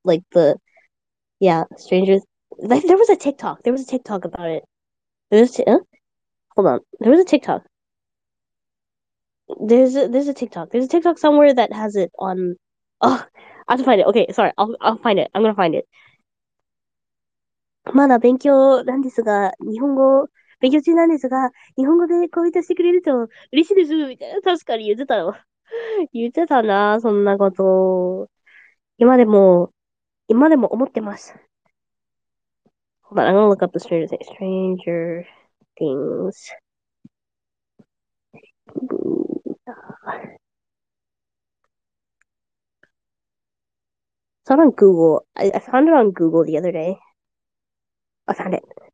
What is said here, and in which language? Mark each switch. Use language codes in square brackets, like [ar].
[en] Like, Strangers. Like, there was a TikTok about it. Hold on. There was a TikTok. There's a TikTok. There's a TikTok somewhere that has it on. Oh, I have to find it. Okay, sorry. I'll find it. I'm gonna find it. [ja] まだ勉強なんですが、日本語、勉強中なんですが、日本語でコメントしてくれると嬉しいです、みたいな。確かに言ってたの。言ってたな、そんなこと。今でも思ってます。 [en] Hold on, I'm gonna look up the Stranger Things. Stranger Things. On Google. I found it on Google the other day. I found it.